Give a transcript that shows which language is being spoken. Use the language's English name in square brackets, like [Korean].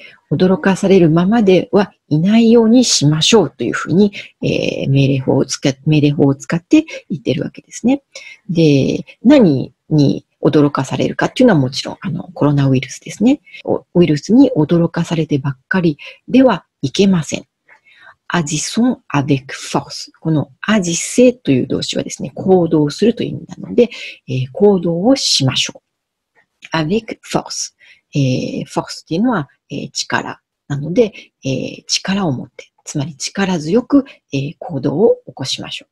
[Japanese] 驚かされるままではいないようにしましょうというふうに、命令法を使って言ってるわけですね。で、何に驚かされるかっていうのはもちろんコロナウイルスですね。ウイルスに驚かされてばっかりではいけません。 [French] agissons avec force。 [Japanese] この agissez という動詞はですね、行動するという意味なので、行動をしましょう。 [French] avec force。 [Japanese] force っていうのは、力なので、力を持って、つまり力強く、行動を起こしましょう。